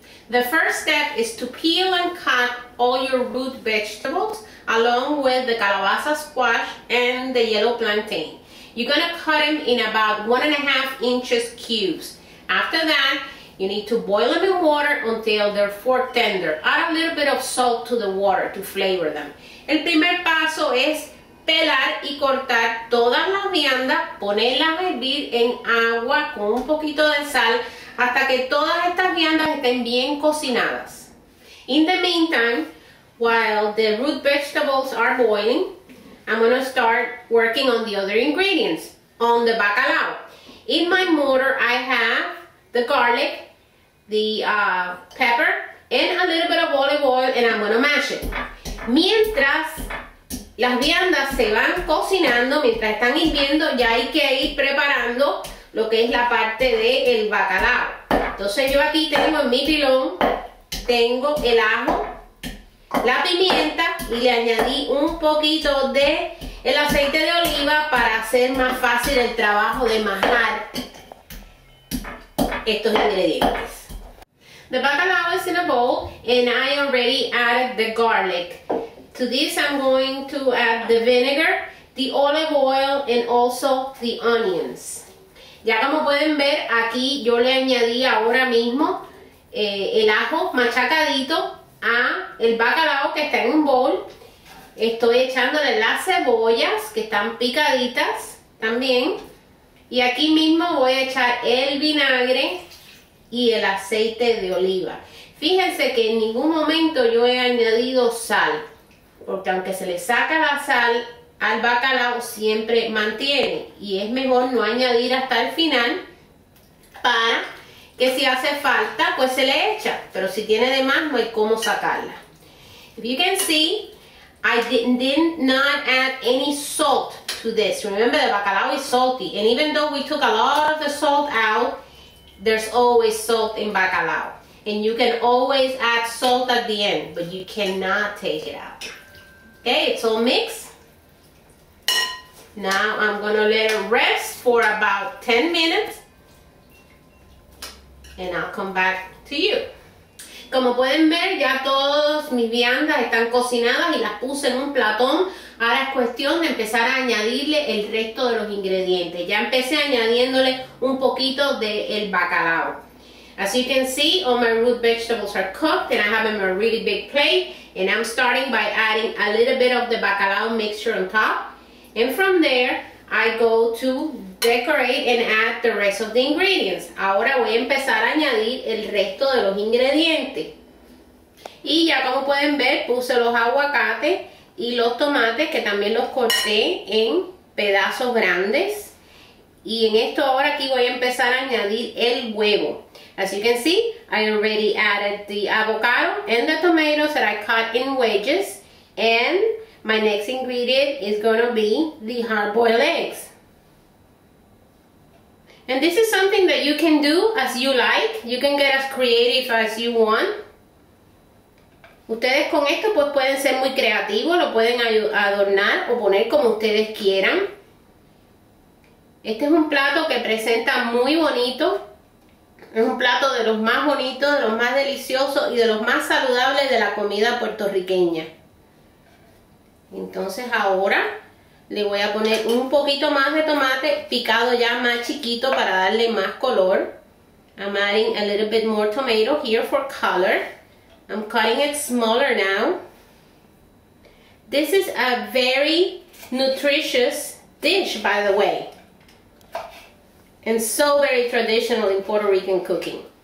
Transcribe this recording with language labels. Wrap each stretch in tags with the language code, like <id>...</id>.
<en>The first step is to peel and cut all your root vegetables along with the calabaza squash and the yellow plantain. You're gonna cut them in about 1.5 inches cubes. After that, you need to boil them in water until they're fork tender. Add a little bit of salt to the water to flavor them.</en> <es>El primer paso es pelar y cortar todas las viandas, ponerlas a hervir en agua con un poquito de sal hasta que todas estas viandas estén bien cocinadas.</es> <en>In the meantime, while the root vegetables are boiling, I'm going to start working on the other ingredients, on the bacalao. In my mortar, I have the garlic, the pepper, and a little bit of olive oil, and I'm going to mash it.</en> <es>Mientras las viandas se van cocinando, mientras están hirviendo, ya hay que ir preparando lo que es la parte del bacalao. Entonces yo aquí tengo en mi pilón, tengo el ajo, la pimienta y le añadí un poquito de el aceite de oliva para hacer más fácil el trabajo de majar estos ingredientes.</es> <en>The bacalao is in a bowl and I already added the garlic. To this I'm going to add the vinegar, the olive oil, and also the onions.</en> <es>Ya como pueden ver, aquí yo le añadí ahora mismo el ajo machacadito a el bacalao que está en un bowl. Estoy echándole las cebollas que están picaditas también. Y aquí mismo voy a echar el vinagre y el aceite de oliva. Fíjense que en ningún momento yo he añadido sal. Porque aunque se le saca la sal al bacalao siempre mantiene, y es mejor no añadir hasta el final para que si hace falta pues se le echa, pero si tiene de más no hay cómo sacarla.</es> <en>If you can see, I did not add any salt to this. Remember, the bacalao is salty, and even though we took a lot of the salt out, there's always salt in bacalao, and you can always add salt at the end, but you cannot take it out. Okay, it's all mixed. Now I'm gonna let it rest for about 10 minutes and I'll come back to you.</en> <es>Como pueden ver, ya todas mis viandas están cocinadas y las puse en un platón. Ahora es cuestión de empezar a añadirle el resto de los ingredientes. Ya empecé añadiéndole un poquito del bacalao.</es> <en>As you can see, all my root vegetables are cooked and I have them on a really big plate. And I'm starting by adding a little bit of the bacalao mixture on top. And from there, I go to decorate and add the rest of the ingredients.</en> <es>Ahora voy a empezar a añadir el resto de los ingredientes. Y ya como pueden ver, puse los aguacates y los tomates, que también los corté en pedazos grandes. Y en esto ahora aquí voy a empezar a añadir el huevo.</es> <en>As you can see, I already added the avocado and the tomatoes that I cut in wedges. And my next ingredient is going to be the hard-boiled eggs. And this is something that you can do as you like. You can get as creative as you want.</en> <es>Ustedes con esto pues pueden ser muy creativos, lo pueden adornar o poner como ustedes quieran. Este es un plato que presenta muy bonito. Es un plato de los más bonitos, de los más deliciosos y de los más saludables de la comida puertorriqueña. Entonces ahora le voy a poner un poquito más de tomate picado ya más chiquito para darle más color.</es> <en>I'm adding a little bit more tomato here for color. I'm cutting it smaller now. This is a very nutritious dish, by the way. And so very traditional in Puerto Rican cooking.</en>